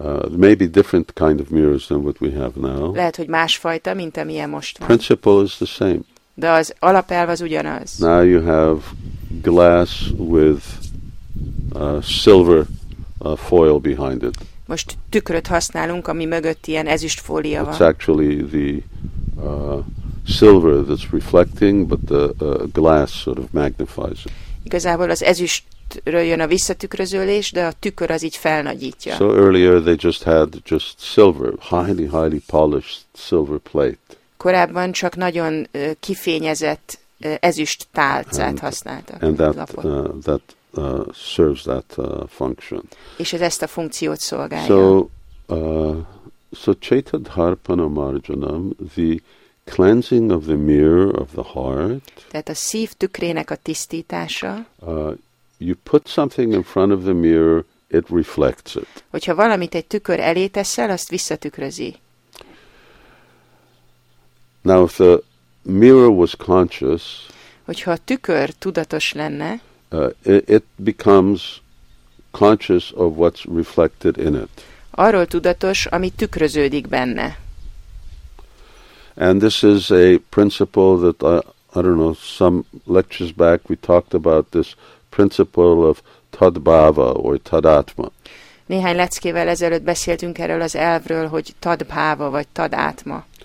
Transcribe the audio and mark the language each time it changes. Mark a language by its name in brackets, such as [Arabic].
[English] Maybe different kind of mirrors than what we have now. [Hungarian] Lehet, hogy másfajta, mint amilyen most van. [English] Principle is the same. [Hungarian] De az alapelv az ugyanaz. [English] Now you have glass with silver foil behind it. [Hungarian] Most tükröt használunk, ami mögött ilyen ezüst fólia van. [English] It's actually the silver that's reflecting, but the glass sort of magnifies it. [Hungarian] Igazából az ezüst jön a visszatükrözőlés, de a tükör az így felnagyítja. [English] So earlier they just had just silver, highly, highly polished silver plate. [Hungarian] Korábban csak nagyon kifényezett ezüst tálcát and, használtak. [English] And that, that serves that function. [Hungarian] És ez ezt a funkciót szolgálja. [English] So, so Chaitadharpana Marjanam, the cleansing of the mirror of the heart, [Hungarian] tehát a szív tükrének a tisztítása, [English] you put something in front of the mirror, it reflects it. [Hungarian] Hogyha valamit egy tükör elé teszel, azt visszatükrözi. [English] Now, if the mirror was conscious, [Hungarian] hogyha a tükör tudatos lenne, [English] it becomes conscious of what's reflected in it. [Hungarian] Arról tudatos, ami tükröződik benne. [English] And this is a principle that, I don't know, some lectures back we talked about this principle of tadbhava or tadatma. [Hungarian] Néhány leckével ezelőtt beszéltünk erről az elvről, hogy tadbhava vagy tadatma.